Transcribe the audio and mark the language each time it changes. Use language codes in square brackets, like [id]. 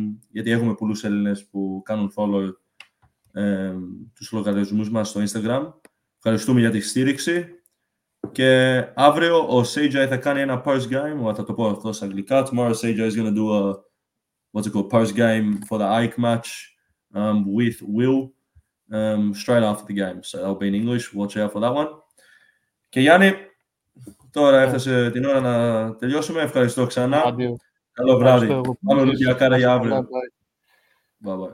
[el] Γιατί έχουμε πολλούς Έλληνες που κάνουν follow τους λογαριασμούς μας στο Instagram. Ευχαριστούμε για τη στήριξη. Και αύριο ο CJ θα κάνει ένα parse game. Θα το πω αυτό στα αγγλικά. [en] Tomorrow CJ is going to do a what's it called, parse game for the Ike match with Will straight after the game. So that'll be in English. Watch out for that one. [el] Και Γιάννη, τώρα έφτασε την ώρα να τελειώσουμε. Ευχαριστώ ξανά. Adio. Καλό βράδυ. Πάμε για αύριο. Bye.